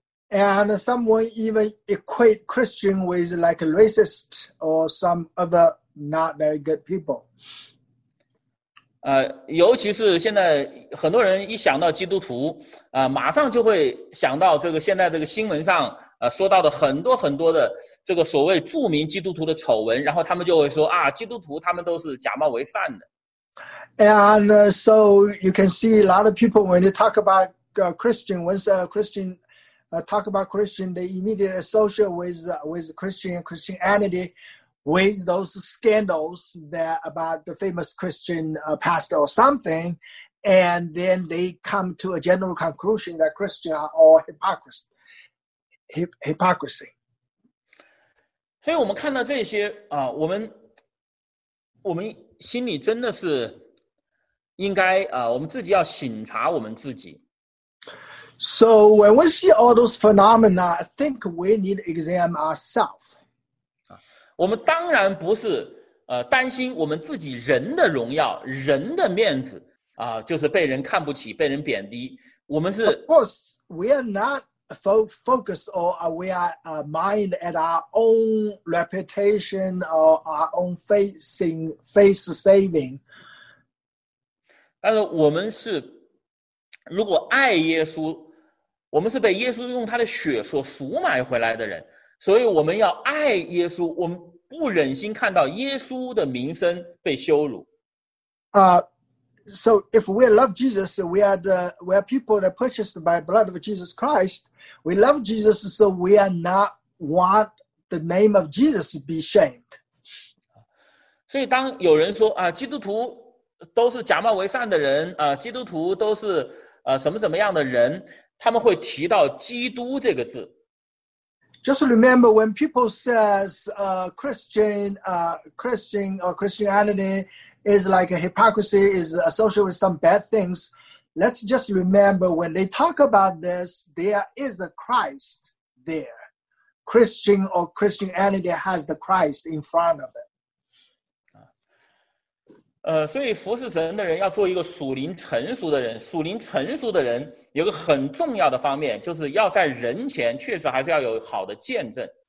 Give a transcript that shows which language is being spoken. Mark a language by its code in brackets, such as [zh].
[en] And someone even equate Christian with like a racist or some other not very good people. [zh] 尤其是现在很多人一想到基督徒马上就会想到这个现在这个新闻上说到的很多很多的这个所谓著名基督徒的丑闻，然后他们就会说啊，基督徒他们都是假冒为善的。 [en] And so you can see a lot of people when they talk about Christian, once a Christian talk about Christian, they immediately associate with Christianity, with those scandals that about the famous Christian pastor or something, and then they come to a general conclusion that Christians are all hypocrisy. [zh] 所以我们看到这些我们心里真的是应该我们自己要省察我们自己。 [en] So when we see all those phenomena, I think we need to examine ourselves. [zh] 我们当然不是担心我们自己人的荣耀、人的面子就是被人看不起、被人贬低。我们是 [en] Of course, we are not focused or we are mind at our own reputation or our own face saving. [zh] 但是我们是如果爱耶稣，我们是被耶稣用他的血所赎买回来的人，所以我们要爱耶稣，我们不忍心看到耶稣的名声被羞辱。 [en] So if we love Jesus, we are people that purchased by blood of Jesus Christ. We love Jesus, so we are not want the name of Jesus to be shamed. [zh] 所以当有人说基督徒都是假冒为善的人基督徒都是什么什么样的人，他们会提到基督这个字。 [en] Just remember when people says Christian or Christianity is like a hypocrisy, is associated with some bad things, let's just remember when they talk about this, there is a Christ there. Christian or Christianity has the Christ in front of it. [zh] 所以服侍神的人要做一个属灵成熟的人。属灵成熟的人有个很重要的方面，就是要在人前确实还是要有好的见证。